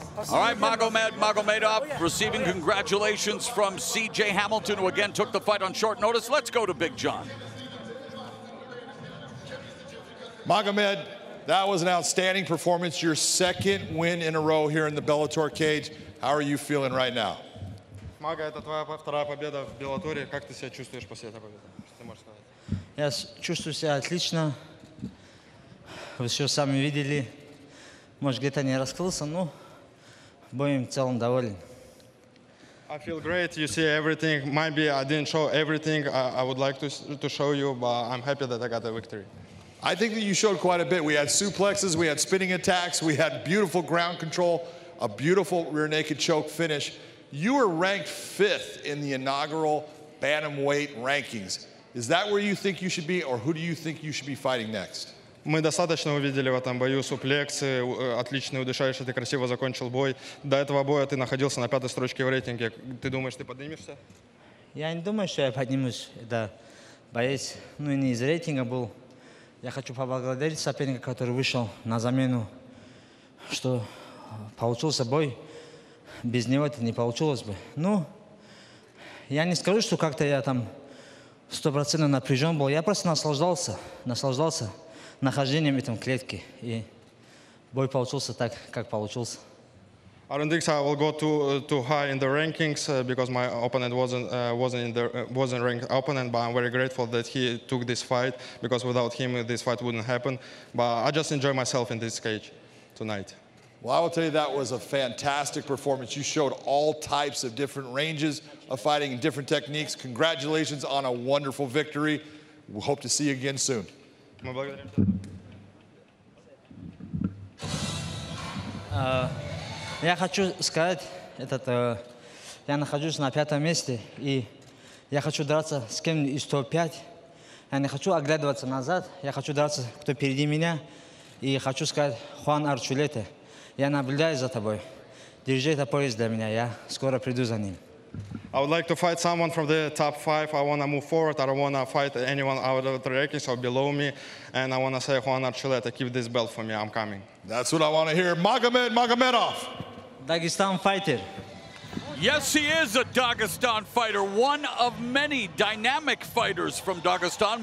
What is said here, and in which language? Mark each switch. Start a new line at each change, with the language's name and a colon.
English: All right, Magomed Magomedov receiving congratulations from CJ Hamilton, who again took the fight on short notice. Let's go to Big John. Magomed, That was an outstanding performance. Your second win in a row here in the Bellator cage. How are you feeling right now?
Russian: Мага, это твоя вторая победа в Беллаторе. Как ты себя чувствуешь после этой победы? Что ты можешь сказать? Я чувствую себя отлично. Вы все сами видели. Может, где-то не раскрылся, но будем в целом доволен.
English: I feel great. You see everything. Maybe I didn't show everything I would like to show you, but I'm happy that I got a victory. I think that you showed quite a bit. We had suplexes, we had spinning attacks, we had beautiful ground control, a beautiful rear naked choke finish. You were ranked fifth in the inaugural bantamweight rankings. Is that where you think you should be, or who do you think you should be fighting next?
Russian: Мы достаточно увидели в этом бою суплексы, отличный удушающий, ты красиво закончил бой. До этого боя ты находился на пятой строчке в рейтинге. Ты думаешь, ты поднимешься? Я не думаю, что я поднимусь. Это боец, ну и не из рейтинга был. Я хочу поблагодарить соперника, который вышел на замену, что получился бой. Без него это не получилось бы. Ну, я не скажу, что как-то я там 100% напряжен был. Я просто наслаждался нахождением в этом клетке. И бой получился так, как получился.
English: I don't think so. I will go too high in the rankings because my opponent wasn't ranked opponent. But I'm very grateful that he took this fight because without him, this fight wouldn't happen. But I just enjoy myself in this cage tonight. Well, I will tell you that was a fantastic performance. You showed all types of different ranges of fighting and different techniques. Congratulations on a wonderful victory. We hope to see you again soon.
Russian: Я хочу сказать, я нахожусь на пятом месте, и я хочу драться с кем из топ-5. Я не хочу оглядываться назад, я хочу драться, кто впереди меня. И хочу сказать, Хуан Арчулете, я наблюдаю за тобой. Держи этот поезд для меня, я скоро приду за ним.
English: I would like to fight someone from the top five. I want to move forward. I don't want to fight anyone out of the rankings or below me. And I want to say, Juan Archuleta, keep this belt for me. I'm coming. That's what I want to hear. Magomed Magomedov. Dagestan fighter. Yes, he is a Dagestan fighter. One of many dynamic fighters from Dagestan.